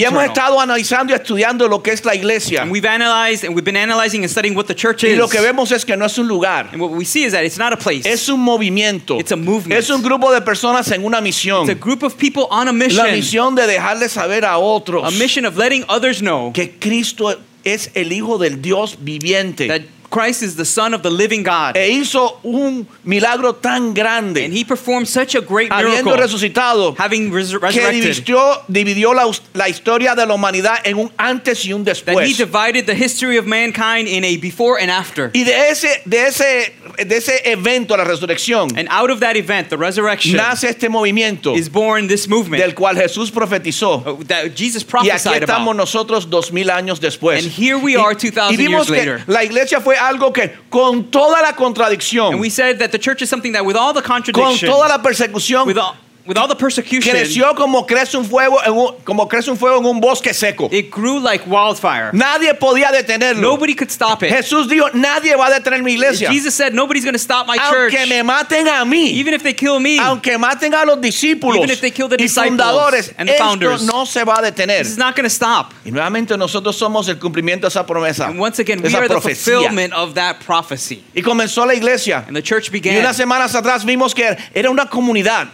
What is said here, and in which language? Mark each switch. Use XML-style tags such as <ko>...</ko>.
<es>Y hemos estado analizando y estudiando lo que es la iglesia.</es> <en>And we've analyzed and we've been analyzing and studying what the church is.</en> <es>Y lo que vemos es que no es un lugar.</es> <en>And what we see is that it's not a place.</en> <es>Es un movimiento.</es> <en>It's a movement.</en> <es>Es un grupo de personas en una misión.</es> <en>It's a group of people on a mission.</en> <es>La misión de dejarles saber a otros.</es> <en>A mission of letting others know.</en> <es>Que Cristo es el Hijo del Dios viviente.</es> <en>That Christ is the Son of the living God.</en> <es>E hizo un milagro tan grande.</es> <en>And he performed such a great</en> <es>habiendo Habiendo resucitado.</es> <en>Having resurrected.</en> <es>Que dividió la historia de la humanidad en un antes y un después.</es> <en>That he divided the history of mankind in a before and after.</en> <es>Y de ese evento, la resurrección.</es> <en>And out of that event, the resurrection.</en> <es>Nace este movimiento.</es> <en>Is born this movement.</en> <es>Del cual Jesús profetizó.</es> <en>That Jesus prophesied about.</en> <es>Y aquí estamos</es> <en>about.</en> <es>Nosotros 2,000 años después.</es> <en>And here we are 2,000 years later.</en> <es>Y vimos que la iglesia fue algo que con toda la contradicción.</es> <en>And we said that the church is something that with all the contradiction.</en> <es>Con toda la persecución.</es> <en>With all the persecution.</en> <es>Creció como crece un fuego en un bosque seco.</es> <en>It grew like wildfire.</en> <es>Nadie podía detenerlo.</es> <en>Nobody could stop it.</en> <es>Jesús dijo, nadie va a detener mi iglesia.</es> <en>Jesus said, nobody's going to stop my</en> <es>aunque</es> <en>church.</en> <es>Aunque me maten a mí.</es> <en>Even if they kill me.</en> <es>Aunque maten a los discípulos.</es> <en>Even if they kill the disciples.</en> <es>Y fundadores.</es> <en>And the founders.</en> <es>Esto no se va a detener.</es> <en>This is not going to stop.</en> <es>Y nuevamente nosotros somos el cumplimiento de esa promesa.</es> <en>And once again, we are the fulfillment of that prophecy.</en> <es>Y comenzó la iglesia.</es> <en>And the church began.</en> <es>Y unas semanas atrás vimos que era una comunidad.</es>